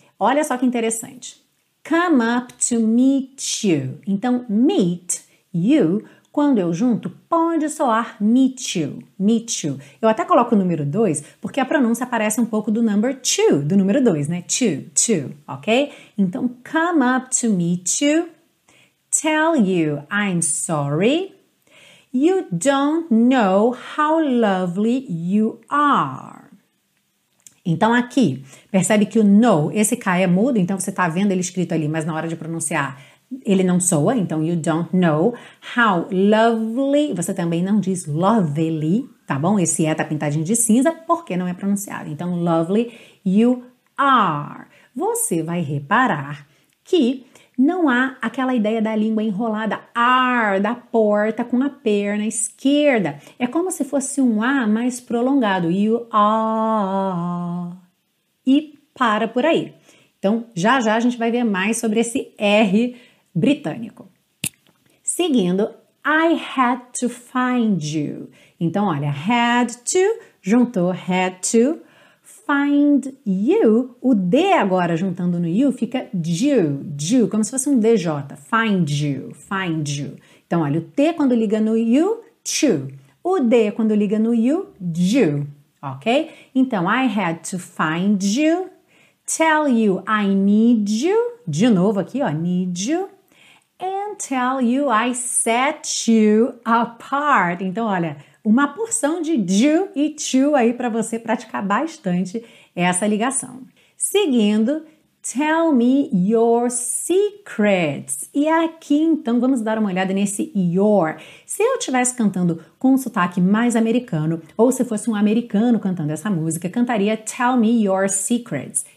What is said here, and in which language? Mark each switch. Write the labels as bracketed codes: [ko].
[pt] Olha só que interessante. [en] Come up to meet you. [pt] Então, meet, you, quando eu junto, pode soar meet you, meet you. Eu até coloco o número 2, porque a pronúncia parece um pouco do number 2, do número 2, né? [en] Two, two, ok? Então, come up to meet you, tell you I'm sorry, you don't know how lovely you are. [pt] Então aqui, percebe que o no, esse K é mudo, então você está vendo ele escrito ali, mas na hora de pronunciar ele não soa, então [en] you don't know how lovely, [pt] você também não diz lovely, tá bom? Esse E tá pintadinho de cinza porque não é pronunciado, então lovely you are. Você vai reparar que não há aquela ideia da língua enrolada, ar, da porta com a perna esquerda. É como se fosse um A mais prolongado. You are. E para por aí. Então, já já a gente vai ver mais sobre esse R britânico. [en] Seguindo, I had to find you. [pt] Então, olha, had to, juntou had to. Find you, o D agora juntando no you fica you, como se fosse um DJ, find you. Então, olha, o T quando liga no you, to. O D quando liga no you, ok? [en] Então, I had to find you, tell you I need you, [pt] de novo aqui, ó, [en] need you, and tell you I set you apart. [pt] Então, olha, uma porção de do e to aí para você praticar bastante essa ligação. [en] Seguindo, tell me your secrets. [pt] E aqui, então, vamos dar uma olhada nesse your. Se eu estivesse cantando com um sotaque mais americano, ou se fosse um americano cantando essa música, cantaria [en] tell me your secrets.